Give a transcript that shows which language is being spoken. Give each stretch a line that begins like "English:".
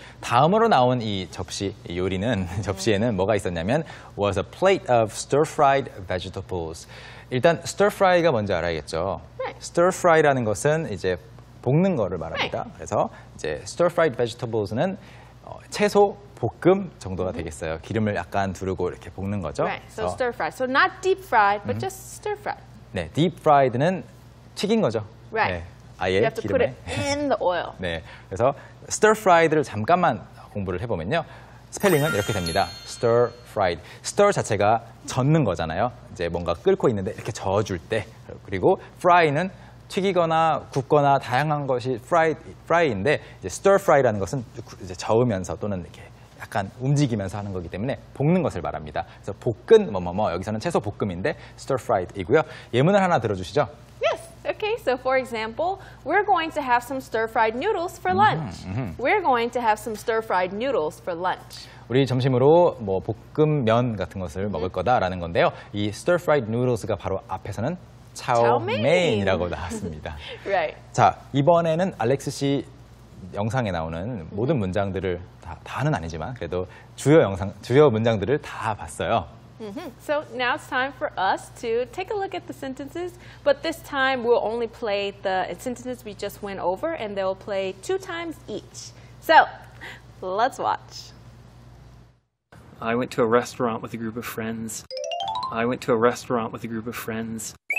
Korean: 다음으로 나온 이 접시 이 요리는 mm-hmm. 접시에는 뭐가 있었냐면
English: was a plate of stir-fried vegetables.
Korean: 일단 stir-fry가 뭔지 알아야겠죠.
English: Right.
Korean: Stir-fry라는 것은 이제 볶는 거를 말합니다.
English: Right.
Korean: 그래서 이제 stir-fried vegetables는 채소 볶음 정도가 되겠어요. 기름을 약간 두르고 이렇게 볶는 거죠.
English: Right. So stir fried. So not deep fried, but just stir fried.
Korean: 네, deep fried는 튀긴 거죠.
English: Right.
Korean: 네. 아예 기름에.
English: You have to put it in the oil.
Korean: 네. 그래서 stir fried를 잠깐만 공부를 해보면요. 스펠링은 이렇게 됩니다. Stir fried. Stir 자체가 젓는 거잖아요. 이제 뭔가 끓고 있는데 이렇게 저어줄 때. 그리고 fry는 튀기거나 굽거나 다양한 것이 fry인데 이제 stir fry라는 것은 이제 저으면서 또는 이렇게 약간 움직이면서 하는 거기 때문에 볶는 것을 말합니다. 그래서 볶은 뭐뭐뭐 여기서는 채소 볶음인데 stir fried이고요. 예문을 하나 들어주시죠.
English: Yes. Okay. So for example, we're going to have some stir fried noodles for lunch. We're going to have some stir fried noodles for lunch.
Korean: 우리 점심으로 뭐 볶음면 같은 것을 먹을 거다라는 건데요. 이 stir fried noodles가 바로 앞에서는 차오메인이라고 나왔습니다.
English: right.
Korean: 자, 이번에는 알렉스 씨 영상에 나오는 모든 문장들을 다는 아니지만 그래도 주요 문장들을 다 봤어요. Mm-hmm.
English: So now it's time for us to take a look at the sentences, but this time we'll only play the sentences we just went over and they'll play two times each. So, let's watch. I went to a restaurant with a group of friends. I went to a restaurant with a group of friends.